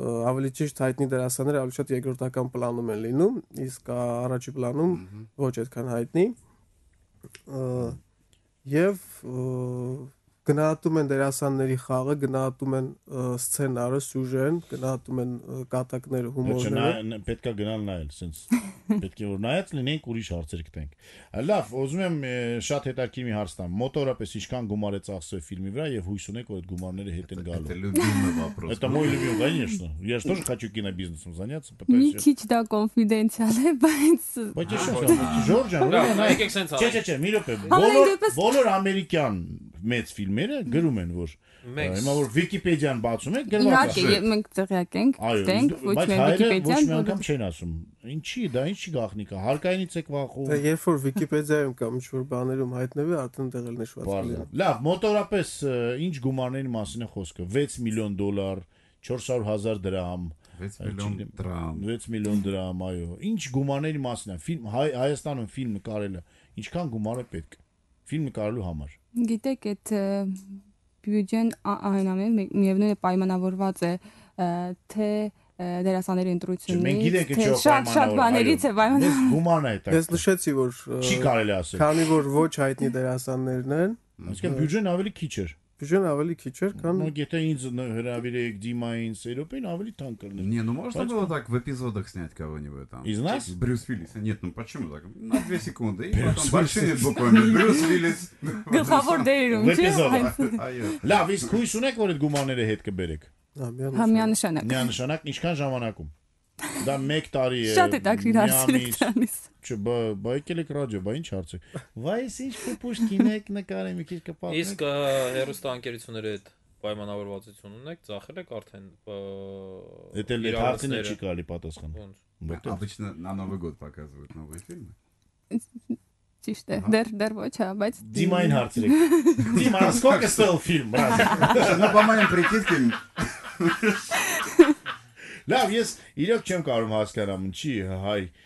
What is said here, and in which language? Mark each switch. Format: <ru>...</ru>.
<hy>ավելի ճիշտ հայտնի դերասանները ավելի շատ երկրորդական պլանում են լինում, իսկ առաջի պլանում ոչ այդքան հայտնի, և գնահատում են դերասանների խաղը, գնահատում են սցենարը, սյուժեն, գնահատում են կատակները, հումորները. Պետք է գնալ նայել, սենց պետք է որ նայած լինենք, ուրիշ հարցեր կտենք։ Լավ, ուզում եմ շատ հետաքրքիր մի հարց տամ։ Մոտորապես ինչքան գումար է ծախսել ֆիլմի վրա եւ հույս ունեք, որ այդ գումարները հետ են գալու։</hy> <ru>Это мой любимый вопрос. Это мой любимый, конечно. Я же тоже хочу кинобизнесом заняться, пытаюсь.</ru> <hy>Не кич да конфиденциал, բայց</hy> <ru>Потише,</ru> <hy>Ժորժան, ուրեմն նայեք սենց ալ։ Չէ, մի լոկե։ Բոլոր ամերիկյան մեծ ֆիլմերը գրում են, որ հիմա որ Վիկիպեդիան բացում են, գրված է։ Իհարկե, մենք ծեղյակ ենք, ստենք, ոչ մի Վիկիպեդիան։ Բայց ոչ մի անգամ չեն ասում։ Ինչի՞, դա ինչի՞ գաղտնիկա։ Հարկայինից եք վախում։ Դե երբ որ Վիկիպեդիայում կամ ինչ-որ բաներում հայտնվի, արդեն դեղել նշված կլինի։ Լավ, մոտորապես ինչ գումարների մասին է խոսքը։ $6 million, $400,000 դրամ, $6 million դրամ, այո։ Ինչ գումարների մասին է ֆիլմ, Հայաստանում ֆիլմ նկարելը, ինչքան գումար է պետք ֆիլմ նկարելու համար։ Գիտեք, այդ բյուջեն այնամեն միևնույն է պայմանավորված է, թե դերասաների ընտրությունից, մենք գիտենք, թե շատ բաներից է պայմանավորված։ Ես նշեցի, որ չի կարելի ասել, քանի որ ոչ հայտնի դերասաններն են, այսինքն բյուջեն ավելի քիչ է։ Բյուջեն ավելի քիչ է, քան եթե ինձ հրավիրեք դիմային սերոպին, ավելի թանկ կլիներ։</hy> <ru>Не, ну можно было так в эпизодах снять кого-нибудь там. Из нас? Брюс Уиллис. Нет, ну почему так? На 2 секунды и потом большими буквами Брюс Уиллис.</ru> <hy>Գլխավոր դերում, չէ՞։ Այո։ Լավ, իսկ հույս ունեք, որ այդ գումարները հետ կբերեք։ Հա, միանշանակ։ Միանշանակ, ինչքան ժամանակում։ Դա 1 տարի է։ Շատ է դակրիր հասցրեցանից։ Չէ, բա եկել եք ռադիո, բա ինչ հարց է։ Վայս, ինչ Պուշկին եք նկարել, մի քիչ կփակեք։ Իսկ հեռուստաընկերությունների հետ պայմանավորվածություն ունեք, ծախել եք արդեն։ Դա էլ այդ հարցին չի կարելի պատասխան։</hy> <ru>Ոնց։ Обычно на Новый год показывают новые фильмы.</ru> <hy>Ճիշտ է, դեռ ոչ, բայց Դիմային հարցրեք։</hy> <ru>Դիմա, сколько стоил фильм, брат? Ну, по-моему, прикидки.</ru> <hy>Լավ, ես իրոք չեմ կարող հասկանալ, ինչի հայ</hy>